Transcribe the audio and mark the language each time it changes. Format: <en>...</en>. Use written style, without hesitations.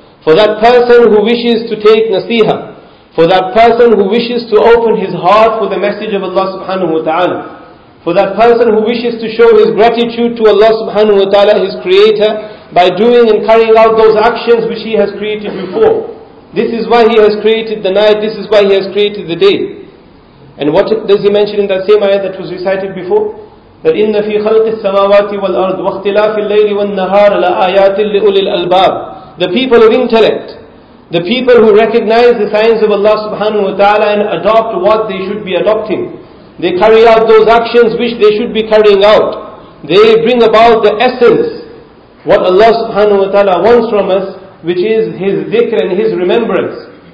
<en>For that person who wishes to take nasiha, for that person who wishes to open his heart for the message of Allah subhanahu wa ta'ala, for that person who wishes to show his gratitude to Allah subhanahu wa ta'ala, his creator, by doing and carrying out those actions which he has created before. This is why he has created the night, this is why he has created the day. And what does he mention in that same ayah that was recited before?</en> <ar>That إِنَّ فِي خَلْقِ السَّمَاوَاتِ وَالْأَرْضِ وَاخْتِلَافِ اللَّيْلِ وَالنَّهَارَ لَآيَاتٍ لِأُولِي الْأَلْبَابِ.</ar> <en>The people of intellect, The people who recognize the signs of Allah subhanahu wa ta'ala and adopt what they should be adopting, they carry out those actions which they should be carrying out. They bring about the essence, what Allah subhanahu wa ta'ala wants from us, which is His dhikr and His remembrance.</en>